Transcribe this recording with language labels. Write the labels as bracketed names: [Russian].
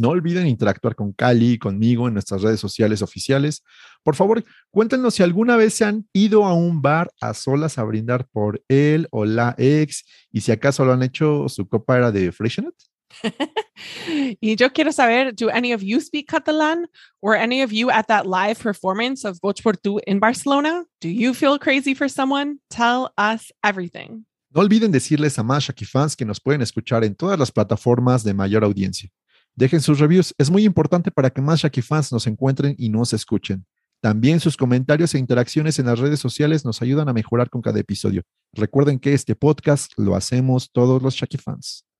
[Spanish] No olviden interactuar con Cali y conmigo en nuestras redes sociales oficiales. Por favor, cuéntenos si alguna vez se han ido a un bar a solas a brindar por él o la ex y si acaso lo han hecho, su copa era de Freixenet. Y yo quiero saber, [English] do any of you speak Catalan? Were any of you at that live performance of Boix per tu in Barcelona? Do you feel crazy for someone? Tell us everything. [Spanish] No olviden decirles a más Shaki fans que nos pueden escuchar en todas las plataformas de mayor audiencia. Dejen sus reviews, es muy importante para que más Shaki fans nos encuentren y nos escuchen. También sus comentarios e interacciones en las redes sociales nos ayudan a mejorar con cada episodio. Recuerden que este podcast lo hacemos todos los Shaki fans.